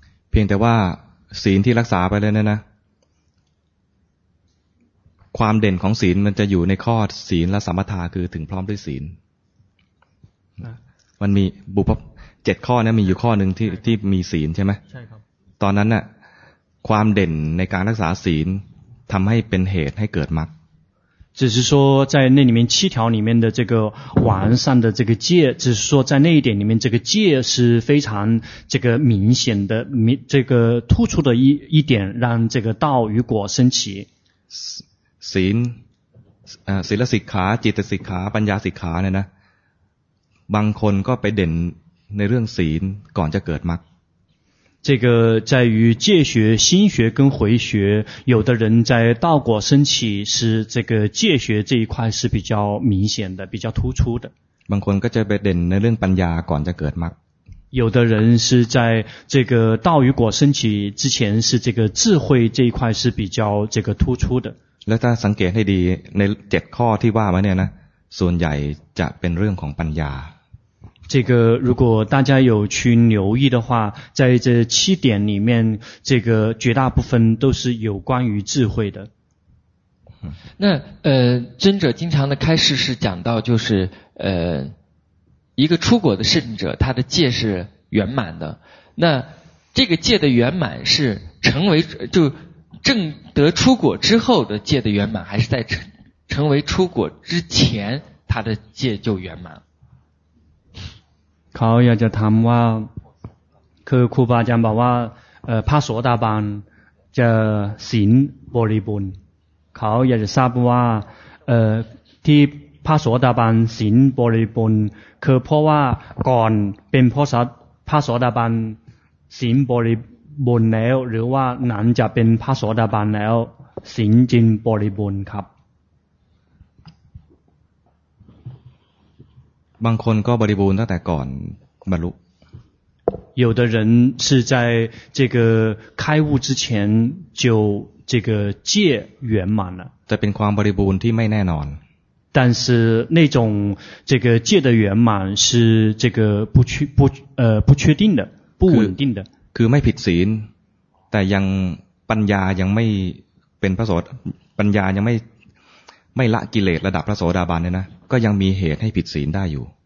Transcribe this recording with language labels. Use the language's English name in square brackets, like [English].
[Thai] เพียงแต่ว่าศีลที่รักษาไปแล้วเนี่ยนะความเด่นของศีลมันจะอยู่ในข้อศีลและสมถะคือถึงพร้อมด้วยศีลมันมีบุพเจ็ดข้อนี้มีอยู่ข้อหนึ่งที่มีศีลใช่ไหม ใช่ครับ ตอนนั้นน่ะความเด่นในการรักษาศีลทำให้เป็นเหตุให้เกิดมรรค [Chinese] 只是说在那里面七条里面的这个完善的这个戒只是说在那一点里面这个戒是非常这个明显的这个突出的一点让这个道与果升起 [Thai] ศีลศีลสิกขาจิตสิกขาปัญญาสิกขาเนี่ยนะบางคนก็ไปเด่นในเรื่องศีลก่อนจะเกิดมรรค [Chinese] 这个在于戒学心学跟回学有的人在道果升起是这个戒学这一块是比较明显的比较突出的 [Thai] บางคนก็จะไปเด่นในเรื่องปัญญาก่อนจะเกิดมรรค [Chinese] 有的人是在这个道与果升起之前是这个智慧这一块是比较这个突出的 [Thai] แล้วถ้าสังเกตให้ดีในเจ็ดข้อที่ว่ามาเนี่ยนะส่วนใหญ่จะเป็นเรื่องของปัญญา [Chinese] 这个如果大家有去留意的话在这七点里面这个绝大部分都是有关于智慧的那尊者经常的开示是讲到就是一个出果的圣者他的戒是圆满的那这个戒的圆满是成为就正得出果之后的戒的圆满还是在成为出果之前他的戒就圆满 [Thai] เขาอยากจะถามว่าคือครูบาอาจารย์บอกว่าพระโสดาบันจะศีลบริบูรณ์เขาอยากจะทราบว่าที่พระโสดาบันศีลบริบูรณ์คือเพราะว่าก่อนเป็นพระโสดาบันศีลบริบูรณ์แล้วหรือว่าหลังจะเป็นพระโสดาบันแล้วศีลจึงบริบูรณ์ครับ บางคนก็บริบูรณ์ตั้งแต่ก่อนบรรลุ [Chinese] 有的人是在这个开悟之前就这个戒圆满了 [Thai] จะเป็นความบริบูรณ์ที่ไม่แน่นอน [Chinese] 但是那种这个戒的圆满是这个不确定的不稳定的 [Thai] คือไม่ผิดศีลแต่ยังปัญญายังไม่เป็นพระโสดปัญญายังไม่ละกิเลสระดับพระโสดาบันเนี่ยนะก็ยังมีเหตุให้ผิดศีลได้อยู